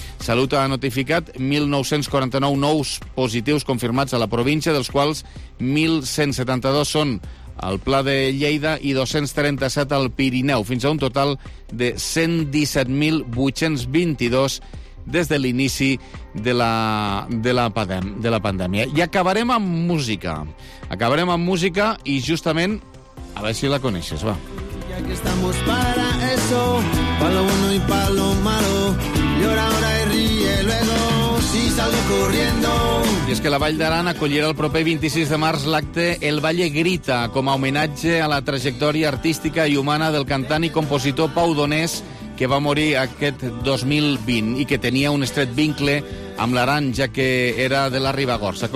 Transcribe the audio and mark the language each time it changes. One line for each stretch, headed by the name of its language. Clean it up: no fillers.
Catalan: Salut ha notificat 1.949 nous positius confirmats a la província, dels quals 1.172 són al Pla de Lleida i 237 al Pirineu, fins a un total de 117.822 des de l'inici de la pandèmia. I acabarem amb música. Acabarem amb música i justament, a veure si la coneixes, va.
Spanish: Que estamos para eso, para lo bueno y para lo malo. Llora ahora y ríe luego, si salgo corriendo.
Catalan: I és que la Vall d'Aran acollirà el proper 26 de març l'acte El Valle Grita, com a homenatge a la trajectòria artística i humana del cantant i compositor Pau Donés, que va morir aquest 2020 i que tenia un estret vincle amb l'Aran, ja que era de la Ribagorça.